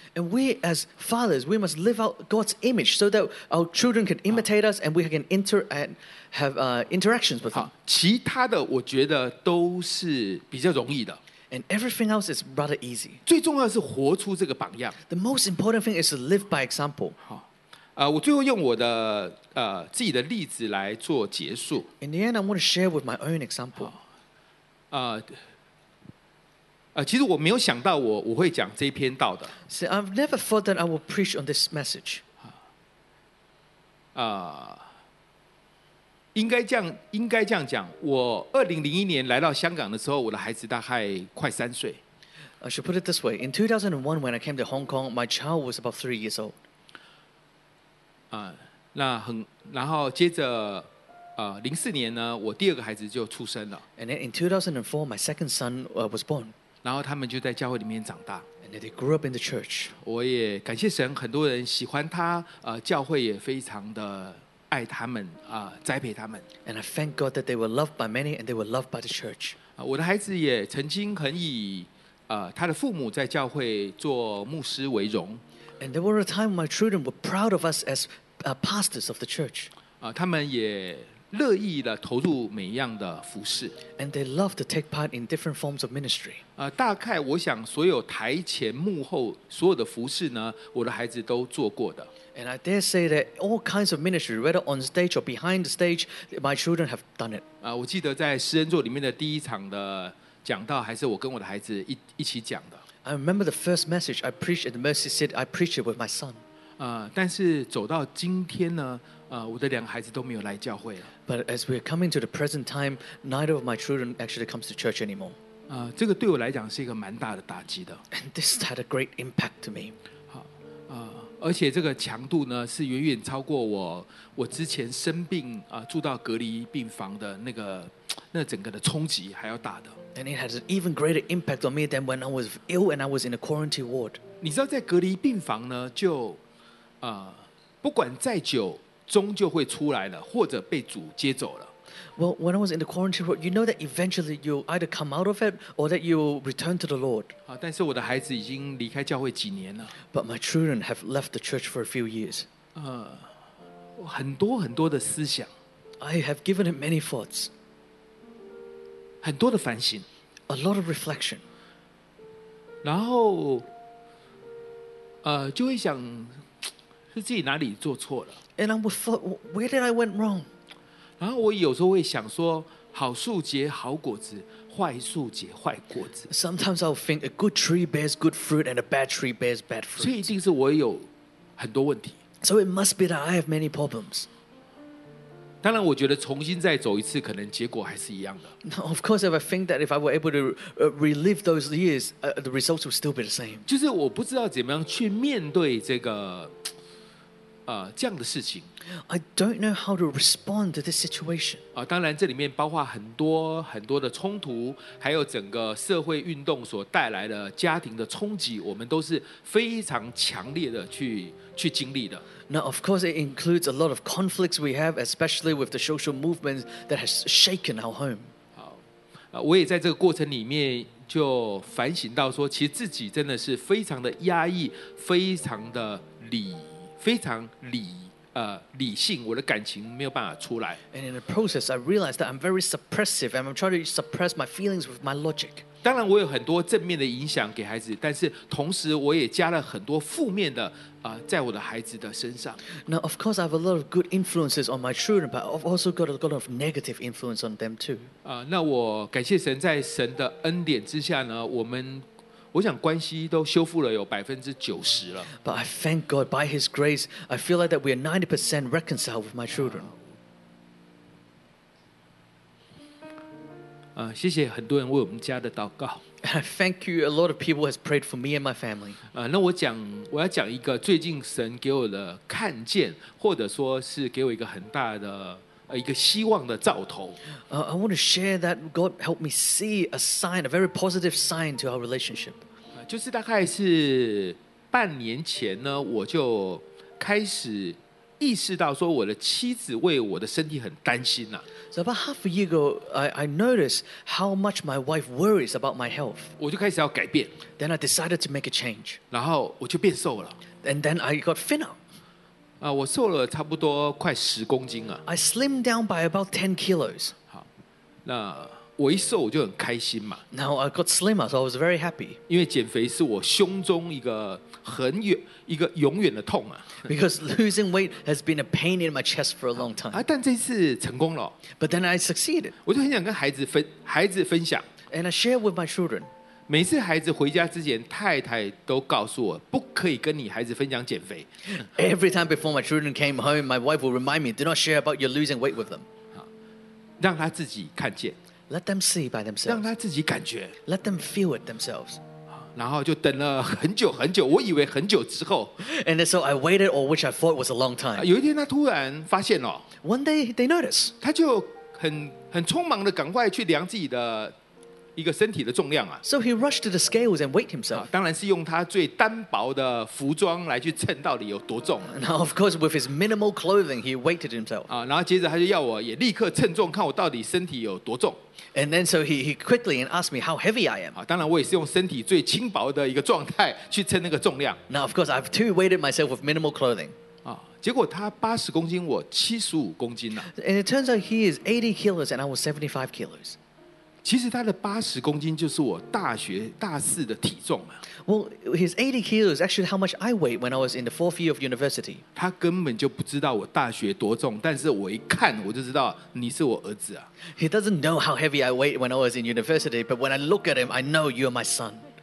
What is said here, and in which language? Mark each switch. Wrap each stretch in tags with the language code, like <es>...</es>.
<en>And we as fathers, we must live out God's image so that our children can imitate us and we can interactions with them.</en> <zh>其他的我觉得都是比较容易的。</zh> <en>And everything else is rather easy.</en> <zh>最重要的是活出这个榜样。</zh> <en>The most important thing is to live by example.</en> <zh>好。我最后用我的自己的例子来做结束。</zh> <en>In the end, I want to share with my own example.</en> <zh>其实我没有想到我会讲这篇道的。</zh> <en>See, I've never thought that I will preach on this message.</en> <zh>应该这样讲。我2001年来到香港的时候，我的孩子大概快三岁。</zh> <en>I should put it this way: In 2001, when I came to Hong Kong, my child was about 3 years old.</en> <zh>然后接着04年呢，我第二个孩子就出生了。</zh> <en>And then in 2004, my second son was born.</en> <zh>然后他们就在教会里面长大。</zh> <en>And then they grew up in the church.</en> <zh>我也感谢神，很多人喜欢他，教会也非常的爱他们，栽培他们。</zh> <en>And I thank God that they were loved by many and they were loved by the church.</en> <zh>我的孩子也曾经很以他的父母在教会做牧师为荣。</zh> <en>And there were a time my children were proud of us as pastors of the church.</en> <zh>他们也乐意地投入每一样的服事。</zh> <en>And they love to take part in different forms of ministry.</en> <zh>大概我想所有台前幕后所有的服事呢，我的孩子都做过的。</zh> <en>And I dare say that all kinds of ministry, whether on stage or behind the stage, my children have done it.</en> <zh>我记得在诗人座里面的第一场的讲道，还是我跟我的孩子一起讲的。</zh> <en>I remember the first message I preached at the Mercy Seat. I preached it with my son.</en> <zh>但是走到今天呢，我的两个孩子都没有来教会了。</zh> <en>But as we're coming to the present time, neither of my children actually comes to church anymore.</en> <zh>这个对我来讲是一个蛮大的打击的。</zh> <en>And this had a great impact to me.</en> <zh>而且这个强度呢，是远远超过我之前生病住到隔离病房的那整个的冲击还要大的。</zh> <en>And it has an even greater impact on me than when I was ill and I was in a quarantine ward.</en> <zh>你知道在隔离病房呢，就不管再久，终究会出来了，或者被主接走了。</zh> <en>Well, when I was in the quarantine ward, you know that eventually you'll either come out of it or that you'll return to the Lord.</en> <zh>但是我的孩子已经离开教会几年了。</zh> <en>But my children have left the church for a few years.</en> <zh>很多很多的思想。</zh> <en>I have given it many thoughts.</en> <zh>很多的反省</zh> <en>，a lot of reflection，</en> <zh>然后，就会想是自己哪里做错了</zh> <en>，and I would thought where did I went wrong，</en> <zh>然后我有时候会想说，好树结好果子，坏树结坏果子</zh> <en>，sometimes I'll think a good tree bears good fruit and a bad tree bears bad fruit，</en> <zh>所以一定是我有很多问题</zh> <en>，so it must be that I have many problems。</en> <zh>当然，我觉得重新再走一次，可能结果还是一样的。</zh> <en>Of course, if I think that if I were able to relive those years, the results would still be the same.</en> <zh>就是我不知道怎么样去面对这个，这样的事情。</zh> <en>I don't know how to respond to this situation.</en> <zh>当然这里面包括很多很多的冲突，还有整个社会运动所带来的家庭的冲击，我们都是非常强烈的去经历的。</zh> <en>Now, of course, it includes a lot of conflicts we have, especially with the social movements that has shaken our home.</en> <zh>我也在这个过程里面就反省到说，其实自己真的是非常的压抑，非常的理性，我的感情没有办法出来。</zh> <en>And in the process, I realized that I'm very suppressive, and I'm trying to suppress my feelings with my logic.</en> <zh>当然，我有很多正面的影响给孩子，但是同时我也加了很多负面的在我的孩子的身上。</zh> <en>Now, of course, I have a lot of good influences on my children, but I've also got a lot of negative influence on them too.</en> <zh>那我感谢神，在神的恩典之下呢，我想关系都修复了有90%了。</zh> <en>But I thank God by His grace, I feel like that we are 90% reconciled with my children.</en> <zh>谢谢很多人为我们家的祷告。</zh> <en>And I thank you, a lot of people has prayed for me and my family.</en> <zh>那我要讲一个最近神给我的看见，或者说是给我一个很大的一个希望的兆头。</zh> <en>I want to share that God helped me see a sign, a very positive sign to our relationship.</en> <zh>就是大概是半年前呢，我就开始意识到说我的妻子为我的身体很担心啊。</zh> <en>So about half a year ago, I noticed how much my wife worries about my health.</en> <zh>我就开始要改变。</zh> <en>Then I decided to make a change.</en> <zh>然后我就变瘦了。</zh> <en>And then I got thinner.</en> <zh>我瘦了差不多快10公斤啊。</zh> <en>I slimmed down by about 10 kilos.</en> <zh>好，那我一瘦我就很开心嘛。</zh> <en>Now I got slimmer, so I was very happy.</en> <zh>因为减肥是我胸中一个很远一个永远的痛啊。</zh> <en>Because losing weight has been a pain in my chest for a long time.</en> <zh>但这次成功了。</zh> <en>But then I succeeded.</en> <zh>我就很想跟孩子分享。</zh> <en>And I share with my children.</en> <zh>每次孩子回家之前，太太都告诉我不可以跟你孩子分享减肥。</zh> <en>Every time before my children came home, my wife will remind me, "Do not share about your losing weight with them."</en> <zh>让他自己看见。</zh> <en>Let them see by themselves.</en> <zh>让他自己感觉。</zh> <en>Let them feel it themselves.</en> <zh>然后就等了很久很久，我以为很久之后。</zh> <en>And so I waited, or which I thought was a long time.</en> <zh>有一天他突然发现了。</zh> <en>One day they noticed.</en> <zh>他就很匆忙的赶快去量自己的。一个身体的重量啊。</zh> <en>So he rushed to the scales and weighed himself.</en> <zh>当然是用他最单薄的服装来去称到底有多重。</zh> <en>Now of course with his minimal clothing he weighed himself.</en> <zh>然后接着他就要我也立刻称重，看我到底身体有多重。</zh> <en>And then so he quickly and asked me how heavy I am.</en> <zh>当然我也是用身体最轻薄的一个状态去称那个重量。</zh> <en>Now of course I've too weighted myself with minimal clothing.</en> <zh>结果他80公斤，我75公斤啊。</zh> <en>And it turns out he is 80 kilos and I was 75 kilos.</en> <zh>其实他的80公斤就是我大学大四的体重啊。</zh> <en>Well, his 80 kilos is actually how much I weighed when I was in the fourth year of university.</en> <zh>他根本就不知道我大学多重，但是我一看我就知道你是我儿子啊。</zh> <en>He doesn't know how heavy I weighed when I was in university, but when I look at him, I know you're my son.</en>